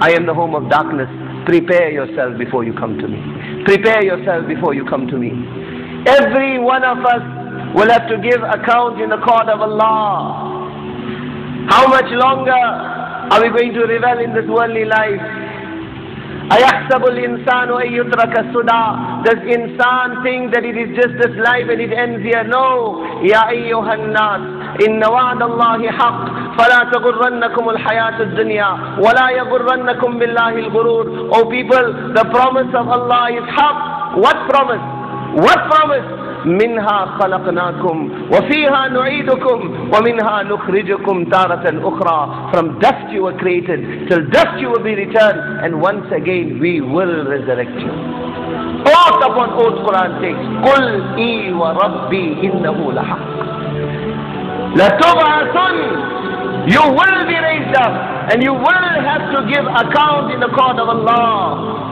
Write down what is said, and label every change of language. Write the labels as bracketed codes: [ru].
[en] I am the home of darkness. Prepare yourself before you come to me. Prepare yourself before you come to me. Every one of us will have to give account in the court of Allah. How much longer are we going to revel in this worldly life? [ar] أَيَحْسَبُ الْإِنسَانُ أَن يُتْرَكَ سُدَى. [en] Does insan think that it is just this life and it ends here? No. [ar] يَا أَيُّهَا النَّاسُ إِنَّ وَعْدَ اللَّهِ حَقٌّ فلا تغرنكم الحياة الدنيا ولا يغرنكم بالله الغرور. [en] O people, the promise of Allah is حق. What promise? What promise? [ar] منها خلقناكم وفيها نعيدكم ومنها نخرجكم تارة أخرى. [en] From dust you were created, till dust you will be returned, and once again we will resurrect you. Oath upon oath Quran takes. [ar] قل إي وربي إنه لحق. لتبعثن. [en] You will be raised up and you will have to give account in the court of Allah.